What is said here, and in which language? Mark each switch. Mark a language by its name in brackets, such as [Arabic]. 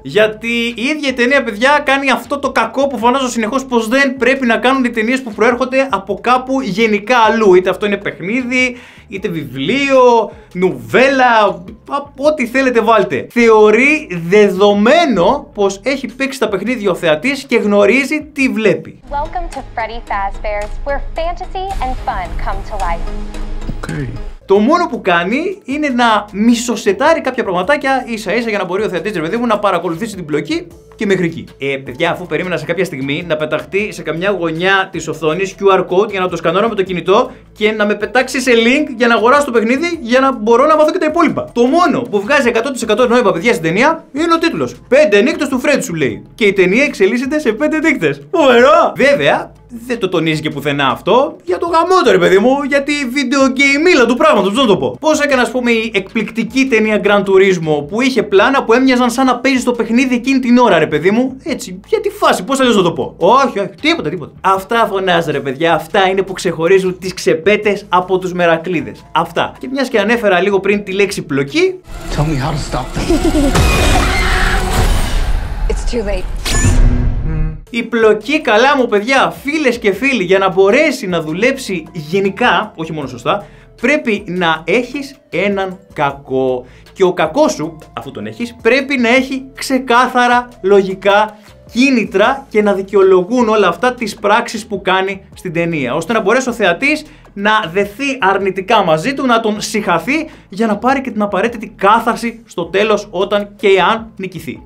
[Greek] Γιατί η ίδια η ταινία, παιδιά, κάνει αυτό το κακό που φωνάζω συνεχώς, πως δεν πρέπει να κάνουν οι ταινίες που προέρχονται από κάπου γενικά αλλού. Είτε αυτό είναι παιχνίδι, είτε βιβλίο, νουβέλα, ό,τι θέλετε βάλτε. Θεωρεί δεδομένο πως έχει παίξει τα παιχνίδια ο θεατής και γνωρίζει τι βλέπει. [English] Welcome to Freddy Fazbear's, where fantasy and fun come to life. Okay. [Greek] Το μόνο που κάνει είναι να μισοσετάρει κάποια πραγματάκια ίσα ίσα για να μπορεί ο θεατής, ρε παιδί μου, να παρακολουθήσει την πλοκή και μέχρι εκεί. Παιδιά, αφού περίμενα σε κάποια στιγμή να πεταχτεί σε καμιά γωνιά της οθόνης QR code για να το σκανώνω με το κινητό και να με πετάξει σε link για να αγοράσω το παιχνίδι για να μπορώ να μάθω και τα υπόλοιπα. Το μόνο που βγάζει 100% νόημα, παιδιά, στην ταινία είναι ο τίτλος. 5 νύχτες του Φρέντ, σου λέει. Και η ταινία εξελίσσεται σε 5 νύχτες. Φοβερό! Βέβαια, δεν το τονίζει και πουθενά αυτό για το γαμότερο, παιδί μου, γιατί video game μίλα του πράγματος, πώς να το πω. Πώς έκανε, ας πούμε, η εκπληκτική ταινία Gran Turismo που είχε πλάνα που έμοιαζαν σαν να παίζει το παιχνίδι εκείνη την ώρα, ρε παιδί μου. Έτσι, για τη φάση, πώς αλλιώς να το πω. Όχι, όχι, τίποτα, τίποτα. Αυτά φωνάζει, ρε παιδιά, αυτά είναι που ξεχωρίζουν τις ξεπέτες από τους μερακλείδες. Αυτά. Και μιας και ανέφερα λίγο πριν τη λέξη πλοκή. [English] Tell me how to stop them. It's too late. [Greek] Η πλοκή, καλά μου παιδιά, φίλες και φίλοι, για να μπορέσει να δουλέψει γενικά, όχι μόνο σωστά, πρέπει να έχεις έναν κακό. Και ο κακός σου, αφού τον έχεις, πρέπει να έχει ξεκάθαρα λογικά κίνητρα και να δικαιολογούν όλα αυτά τις πράξεις που κάνει στην ταινία, ώστε να μπορέσει ο θεατής να δεθεί αρνητικά μαζί του, να τον συγχαθεί για να πάρει και την απαραίτητη κάθαρση στο τέλος όταν και αν νικηθεί.